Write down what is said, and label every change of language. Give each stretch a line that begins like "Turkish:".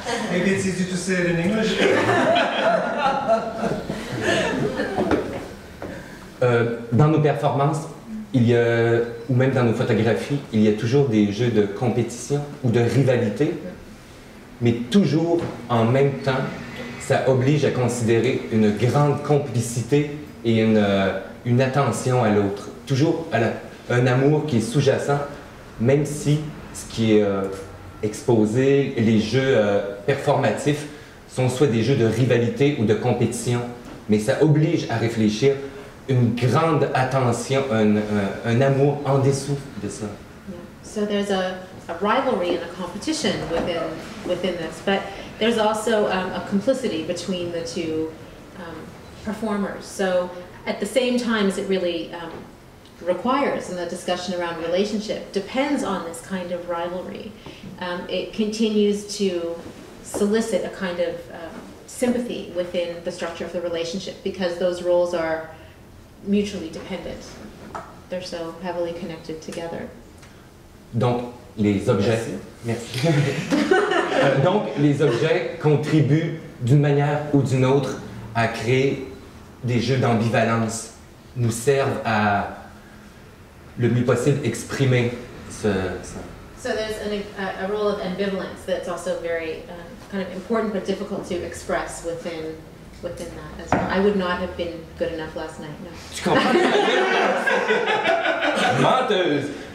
English: Maybe it's easy to say it in English.
French: Dans nos performances, il y a, ou même dans nos photographies, il y a toujours des jeux de compétition ou de rivalité, mais toujours en même temps, ça oblige à considérer une grande complicité et une attention à l'autre. Toujours à la, un amour qui est sous-jacent, même si ce qui est exposé, les jeux performatifs, sont soit des jeux de rivalité ou de compétition. Mais ça oblige à réfléchir une grande attention, un amour en dessous de ça.
English: Yeah. So there's a rivalry and a competition within this. But there's also a complicity between the two performers. So at the same time as it really requires in the discussion around relationship, depends on this kind of rivalry. It continues to solicit a kind of sympathy within the structure of the relationship because those roles are mutually dependent. They're so heavily connected together. Donc, les objets... donc, les objets contribuent d'une manière ou d'une autre à créer des jeux d'ambivalence, nous servent à le mieux possible exprimer ce. So there's a role of ambivalence that's also very kind of important but difficult to express within that as well. I would not have been good enough last night. No.
French: Tu comprends? Menteuse!